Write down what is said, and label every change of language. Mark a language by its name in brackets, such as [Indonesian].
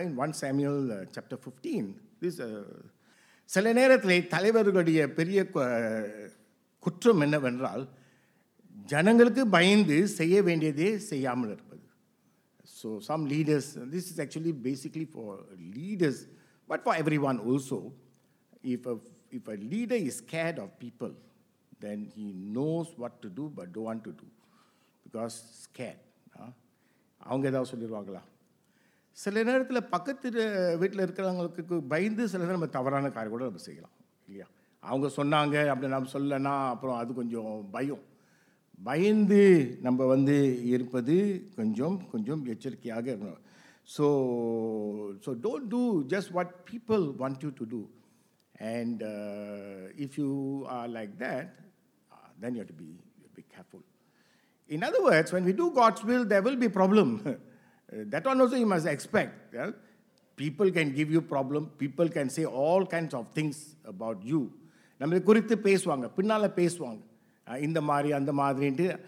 [English] in 1 Samuel chapter 15, this [Tamil] சில நேரத்தில் தலைவர்களுடைய பெரிய குற்றம் என்னவென்றால், ஜனங்களுக்கு பயந்து செய்ய வேண்டியதே செய்யாமல் இருப்பது. [English] So some leaders, this is actually basically for leaders, But for everyone also, if a leader is scared of people, then he knows what to do but don't want to do. Because scared. [Tamil] அவங்க ஏதாவது சொல்லிடுவாங்களா? சில நேரத்தில் பக்கத்து வீட்டில் இருக்கிறவங்களுக்கு பயந்து சில நேரம் நம்ம தவறான காரியம் கூட நம்ம செய்யலாம் இல்லையா? அவங்க சொன்னாங்க அப்படி நம்ம சொல்லலைன்னா அப்புறம் அது கொஞ்சம் பயம். பயந்து நம்ம வந்து இருப்பது கொஞ்சம் கொஞ்சம் எச்சரிக்கையாக இருக்கணும். [English] So don't do just what people want you to do. And if you are like that then you have to be careful. In other words, when we do God's will, there will be problem. That one also you must expect. Yeah? People can give you problem. People can say all kinds of things about you. [Tamil] நம்ம குறித்து பேசுவாங்க, பின்னால் பேசுவாங்க, இந்த மாதிரி அந்த மாதிரின்ட்டு.